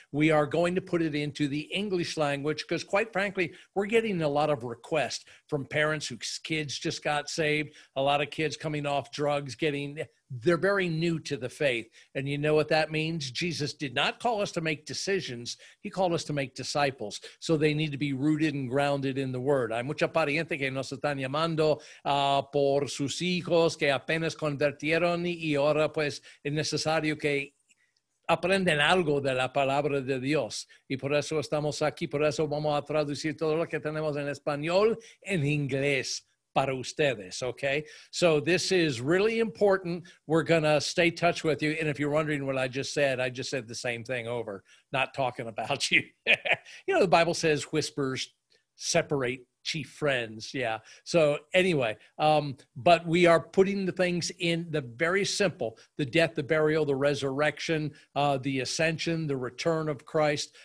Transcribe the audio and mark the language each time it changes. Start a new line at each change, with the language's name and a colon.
English: We are going to put it into the English language because, quite frankly, we're getting a lot of requests from parents whose kids just got saved, a lot of kids coming off drugs, getting... They're very new to the faith. And you know what that means? Jesus did not call us to make decisions. He called us to make disciples. So they need to be rooted and grounded in the word.
Spanish: Hay mucha pariente que nos están llamando por sus hijos que apenas convirtieron y ahora pues es necesario que aprenden algo de la palabra de Dios. Y por eso estamos aquí. Por eso vamos a traducir todo lo que tenemos en español en inglés. Para ustedes,
English: okay? So this is really important. We're going to stay in touch with you. And if you're wondering what I just said the same thing over, not talking about you. You know, the Bible says whispers separate chief friends. Yeah. So anyway, but we are putting the things in the very simple, the death, the burial, the resurrection, the ascension, the return of Christ.